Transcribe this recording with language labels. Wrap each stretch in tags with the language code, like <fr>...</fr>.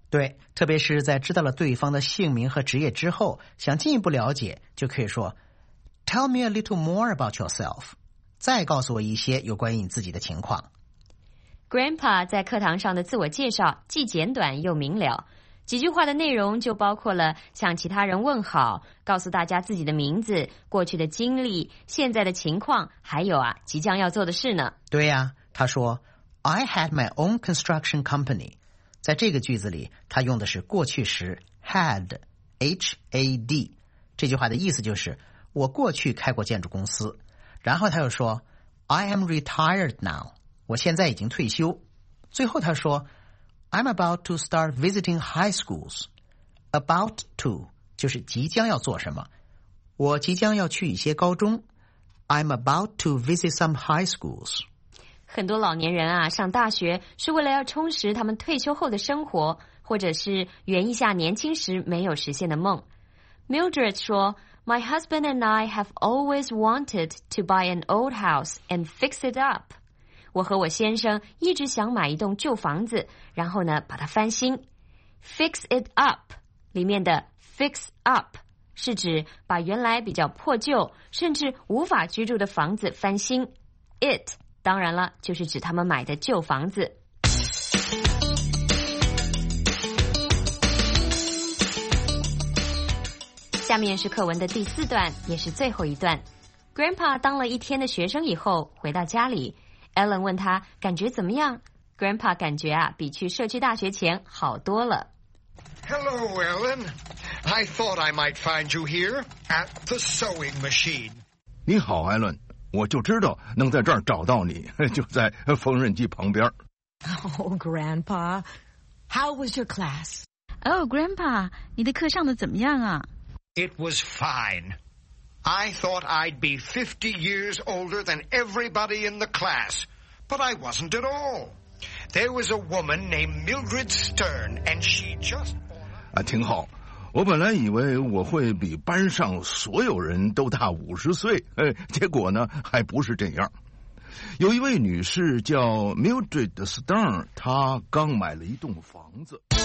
<zh>对，特别是在知道了对方的姓名和职业之后，想进一步了解，就可以说</zh> <en>Tell me a little more about yourself，</en> <zh>再告诉我一些有关于你自己的情况。 Grandpa 在课堂上的自我介绍既简短又明了，几句话的内容就包括了向其他人问好，告诉大家自己的名字、过去的经历、现在的情况，还有啊，即将要做的事呢。对呀，他说</zh> <en>I had my own construction company。</en> <zh>在这个句子里，他用的是过去时 had H-A-D， 这句话的意思就是我过去开过建筑公司。然后他又说</zh> <en>I am retired now，</en> <zh>我现在已经退休。最后他说</zh> <en>I'm about to start visiting high schools.</en> <zh>About to 就是即将要做什么。我即将要去一些高中。</zh> <en>I'm about to visit some high schools.</en> <zh>很多老年人啊，上大学是为了要充实他们退休后的生活，或者是圆一下年轻时没有实现的梦。</zh> <en>Mildred 说 My husband and I have always wanted to buy an old house and fix it up.</en> <zh>我和我先生一直想买一栋旧房子，然后呢把它翻新。 Fix it up 里面的 fix up 是指把原来比较破旧甚至无法居住的房子翻新。 It 当然了就是指他们买的旧房子。下面是课文的第四段，也是最后一段。Grandpa 当了一天的学生以后回到家里，Ellen 问他感觉怎么样？ Grandpa 感觉啊，比去社区大学前好多了。</zh> <en>Hello, Ellen. I thought I might find you here at the sewing machine.</en> <zh>你好 ，Ellen. 我就知道能在这儿找到你，就在缝纫机旁边。</zh> <en>Oh, Grandpa. How was your class? Oh, Grandpa.</en> <zh>你的课上的怎么样啊</zh> <en>？It was fine. I thought I'd be 50 years older than everybody in the class, but I wasn't at all. There was a woman named Mildred Stern, and she just...</en> <zh>啊，挺好。我本来以为我会比班上所有人都大50岁，结果呢，还不是这样。有一位女士叫 Mildred Stern， 她刚买了一栋房子。</zh>